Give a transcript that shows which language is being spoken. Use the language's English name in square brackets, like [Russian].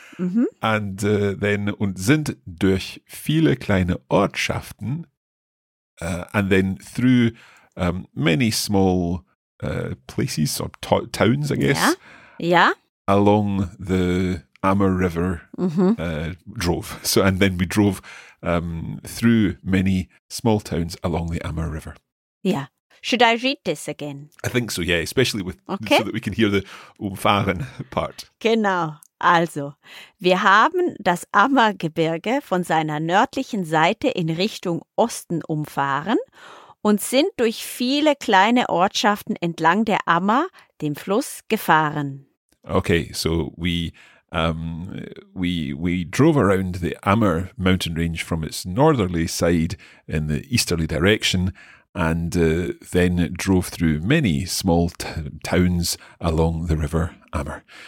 [English] Mm-hmm. And then [German] und sind durch viele kleine Ortschaften [English] and then through many small places or towns, I guess. Yeah. Yeah. Along the Amur River drove. So, and then we drove through many small towns along the Amur River. Yeah. Should I read this again? I think so, yeah. Especially with so that we can hear the umfahren part. [German] Genau. Also, wir haben das Ammergebirge von seiner nördlichen Seite in Richtung Osten umfahren und sind durch viele kleine Ortschaften entlang der Ammer, dem Fluss, gefahren. [English] Okay, so we drove around the Ammer mountain range from its northerly side in the easterly direction and then drove through many small towns along the river Ammer.